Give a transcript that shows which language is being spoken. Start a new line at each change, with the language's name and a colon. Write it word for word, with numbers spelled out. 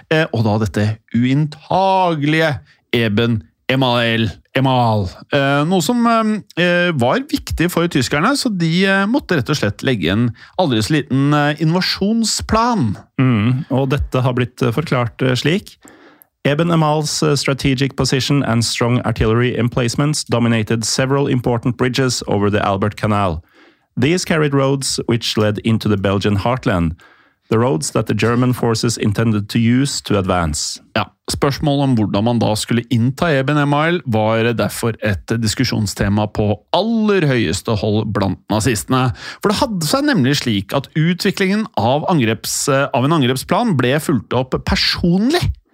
Norwegian: Og da dette uinntagelige eben-emal. Emal. Noe som var viktig for tyskerne, så de måtte rett og slett legge en aldri så liten invasjonsplan. Mm, og dette har blitt forklart slik.
English: Eben Amal's uh, strategic position and strong artillery emplacements dominated several important bridges over the Albert Canal. These carried roads which led into the Belgian heartland, the roads that the German forces intended to use to advance.
Norwegian: Ja, spørsmålet om hvordan man da skulle innta Eben Amal var derfor et diskusjonstema på aller høyeste hold blant nazistene. For det hadde seg nemlig slik at utviklingen av, angreps, av en angrepsplan ble fulgt opp personlig.